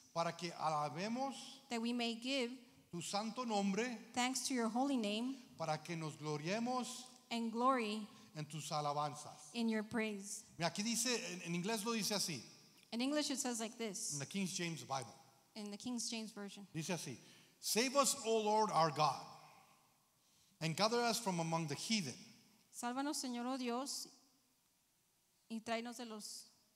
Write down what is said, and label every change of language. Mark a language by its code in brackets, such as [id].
[es] Para que alabemos. [en] That we may give. [es] Tu santo nombre. [en] Thanks to your holy name. [es] Para que nos gloriemos. [en] And glory. [es] En tus alabanzas. [en] In your praise. [es] Mira, aquí dice, en inglés lo dice así. [en] In English it says like this. In the King James Bible. In the King James Version. [es] Dice así. [en] Save us, O Lord, our God, and gather us from among the heathen. [es] Sálvanos, Señor, oh Dios, y tráenos de los